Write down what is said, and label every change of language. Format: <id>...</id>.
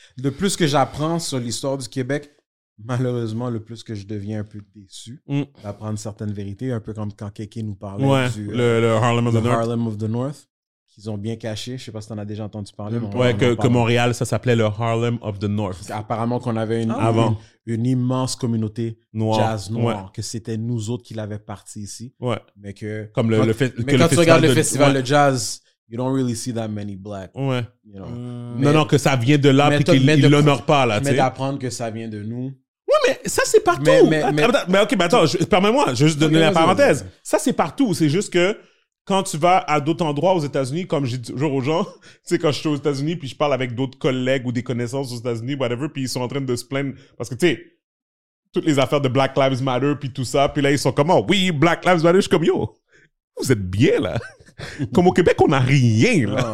<fr>De plus que j'apprends sur l'histoire du Québec, malheureusement, le plus que je deviens un peu déçu d'apprendre certaines vérités, un peu comme quand Keke nous parlait du Harlem of the North. Qu'ils ont bien caché. Je ne sais pas si tu en as déjà entendu parler. Mais ouais, que Montréal, ça s'appelait le Harlem of the North. Apparemment qu'on avait une immense communauté noir. Jazz noir. Ouais. Que c'était nous autres qui l'avaient parti ici. Ouais. Mais que comme le fait, mais que quand le tu regardes le festival de jazz,</fr> <en>you don't really see that many black.</en> <fr>Ouais.</fr> <en>You know.</en> <fr>Non, que ça vient de là et qu'ils ne l'honorent pas. Là, mais t'sais. D'apprendre que ça vient de nous. Oui, mais ça, c'est partout. Mais attends, permets-moi, je vais juste donner la parenthèse. Ça, c'est partout. C'est juste que quand tu vas à d'autres endroits aux États-Unis, comme j'ai toujours aux gens, tu sais, quand je suis aux États-Unis puis je parle avec d'autres collègues ou des connaissances aux États-Unis, whatever, puis ils sont en train de se plaindre parce que, tu sais, toutes les affaires de Black Lives Matter puis tout ça, puis là, ils sont comme « Oui, Black Lives Matter », je suis comme « Yo, vous êtes bien, là. » Comme au Québec, on n'a rien, là.</fr>